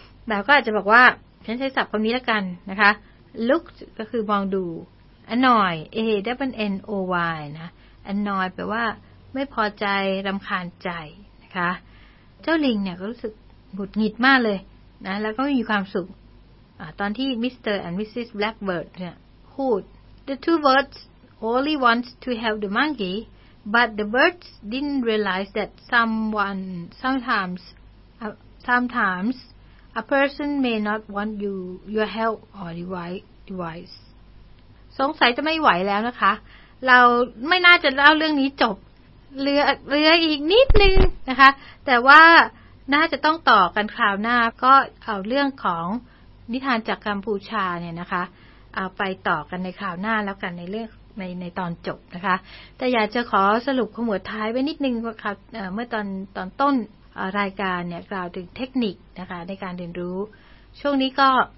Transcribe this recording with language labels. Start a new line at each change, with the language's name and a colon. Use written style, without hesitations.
Thai: เราก็อาจจะบอกว่าฉันใช้ศัพท์คำนี้แล้วกันนะคะlook ก็คือมองดู annoy annoy นะ annoy แปลว่าไม่พอใจรำคาญใจนะคะเจ้าลิงเนี่ยก็รู้สึกหงุดหงิดมากเลยนะแล้วก็ไม่มีความสุขตอนที่ Mr.
English: and Mrs. Blackbird
Thai: เนี่ยพูด
English: The two birds only want to help the monkey but the birds didn't realize that sometimes A person may not want your help or device.
Thai: สงสัยจะไม่ไหวแล้วนะคะเราไม่น่าจะเล่าเรื่องนี้จบเหลืออีกนิดนึงนะคะแต่ว่าน่าจะต้องต่อกันคราวหน้าก็เอาเรื่องของนิทานจากกัมพูชาเนี่ยนะคะเอาไปต่อกันในคราวหน้าแล้วกันในเรื่องในตอนจบนะคะแต่อยากจะขอสรุปขมวดท้ายไว้นิดนึงค่ะเมื่อตอนต้นรายการเนี่ยกล่าวถึงเทคนิคนะคะในการเรียนรู้ช่วงนี้ก็